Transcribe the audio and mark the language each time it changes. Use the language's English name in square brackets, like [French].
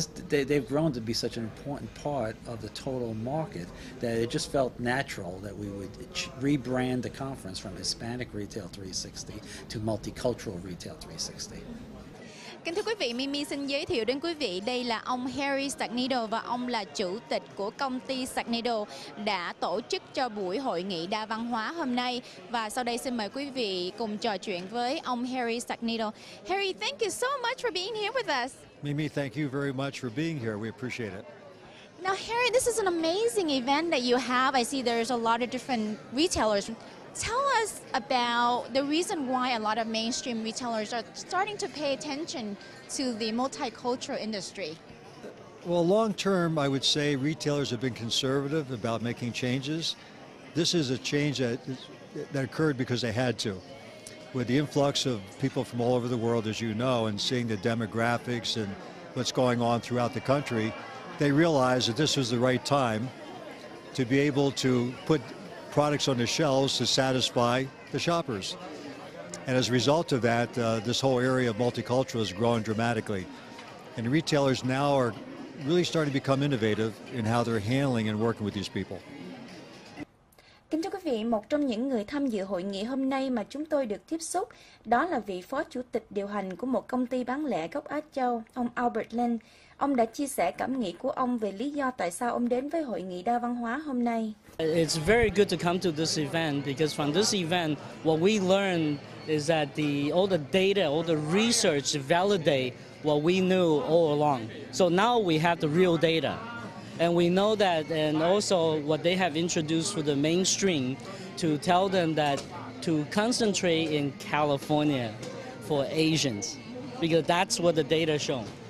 [English] They've grown to be such an important part of the total market that it just felt natural that we would rebrand the conference from Hispanic Retail 360 to Multicultural Retail 360. [Vietnamese] Kính thưa quý vị, Mimi xin giới thiệu đến quý vị, đây là ông Harry Sagnido và ông là chủ tịch của công ty Sagnido đã tổ chức cho buổi hội nghị đa văn hóa hôm nay. Và sau đây xin mời quý vị cùng trò chuyện với ông Harry Sagnido. [English] Harry, thank you so much for being here with us. Mimi, thank you very much for being here. We appreciate it. Now, Harry, this is an amazing event that you have. I see there's a lot of different retailers. Tell us about the reason why a lot of mainstream retailers are starting to pay attention to the multicultural industry. Well, long term, I would say retailers have been conservative about making changes. This is a change that occurred because they had to. With the influx of people from all over the world, as you know, and seeing the demographics and what's going on throughout the country, they realized that this was the right time to be able to put products on the shelves to satisfy the shoppers. And as a result of that, this whole area of multicultural has grown dramatically. And retailers now are really starting to become innovative in how they're handling and working with these people. [Vietnamese] Kính thưa quý vị, một trong những người tham dự hội nghị hôm nay mà chúng tôi được tiếp xúc đó là vị phó chủ tịch điều hành của một công ty bán lẻ gốc Á Châu, ông Albert Lin. Ông đã chia sẻ cảm nghĩ của ông về lý do tại sao ông đến với hội nghị đa văn hóa hôm nay. [English] It's very good to come to this event because from this event, what we learn is that all the data, all the research validate what we knew all along. So now we have the real data. And we know that, and also what they have introduced for the mainstream to tell them that to concentrate in California for Asians, because that's what the data show.